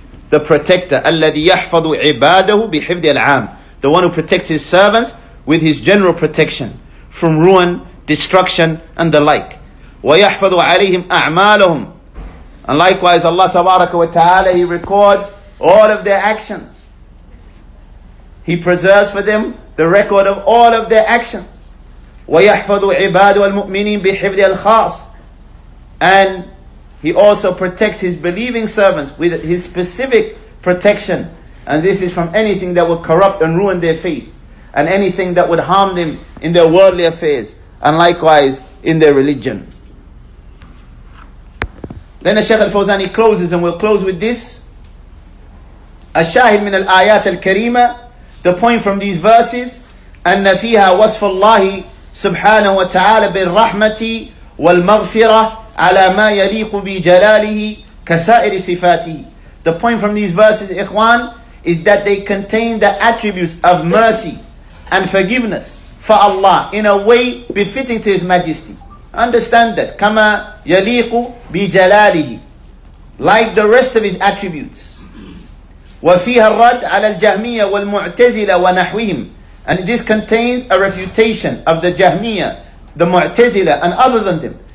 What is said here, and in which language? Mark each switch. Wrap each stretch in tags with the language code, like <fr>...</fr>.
<en>The protector,</en> <ar>الَّذِي يَحْفَظُ عِبَادَهُ بِحِفْظِ الْعَامِ.</ar> <en>The one who protects his servants with his general protection from ruin, destruction, and the like.</en> <ar>وَيَحْفَظُ عَلَيْهِمْ أَعْمَالَهُمْ.</ar> <en>And likewise, Allah Tabaraka wa Ta'ala, He records all of their actions. He preserves for them the record of all of their actions.</en> <ar>وَيَحْفَظُ عِبَادُهُ الْمُؤْمِنِينَ بِحِفْظِ الْخَاصِ.</ar> <en>And He also protects His believing servants with His specific protection. And this is from anything that would corrupt and ruin their faith. And anything that would harm them in their worldly affairs. And likewise in their religion. Then the Shaykh al-Fawzani closes, and we'll close with this.</en> <ar>الشاهد من الآيات الكريمة.</ar> <en>The point from these verses.</en> <ar>أن فيها وصف الله سبحانه وتعالى بالرحمة والمغفرة على ما يليق بجلاله كسائر صفاته.</ar> <en>The point from these verses, Ikhwan, is that they contain the attributes of mercy and forgiveness for Allah in a way befitting to His Majesty. Understand that.</en> <ar>كما يليق بجلاله.</ar> <en>Like the rest of His attributes.</en> <ar>وفيها الرد على الجهمية والمعتزلة ونحوهم.</ar> <en>And this contains a refutation of the جهمية, the معتزلة, and other than them.</en>